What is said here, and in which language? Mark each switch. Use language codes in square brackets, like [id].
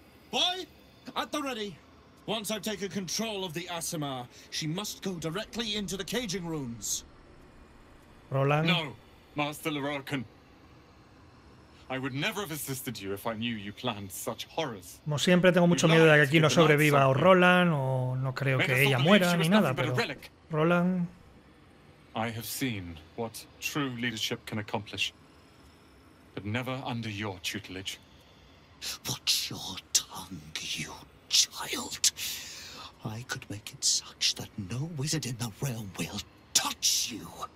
[en] Boy, at the ready. Once I've taken control of the Asimar, she must go directly into the caging rooms. Roland? No, Master Lorokin. I would never have assisted you if I knew you planned such horrors. [es] Como siempre, tengo mucho miedo de que aquí no sobreviva o Roland, o no creo que ella muera ni nada, pero... Roland... [en] I have seen what true leadership can accomplish, but never under your tutelage. Watch your tongue, you child. I could make it such that no wizard in the realm will touch you.